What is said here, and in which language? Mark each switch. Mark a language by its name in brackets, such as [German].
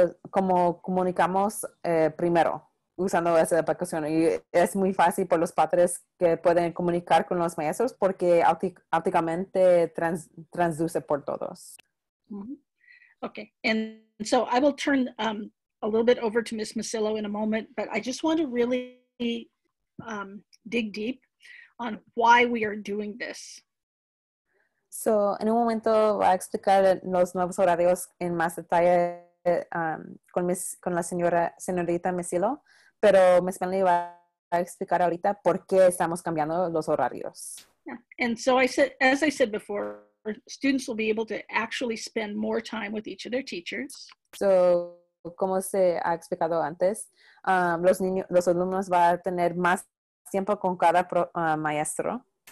[Spanish] como comunicamos primero usando esa aplicación, y es muy fácil por los padres que pueden comunicar con los maestros porque automáticamente transduce por todos. [English] Mm-hmm. Okay, and so I will turn a little bit over to Ms. Masillo in a moment, but I just want to really dig deep on why we are doing this. [Spanish] So, en un momento va a explicar los nuevos horarios en más detalle con la señorita Mesilo, pero Ms. Manley va a explicar ahorita por qué estamos cambiando los horarios. [English] Yeah. And so, as I said before, students will be able to actually spend more time with each of their teachers. [Spanish] So, como se ha explicado antes, los alumnos va a tener más tiempo con cada maestro.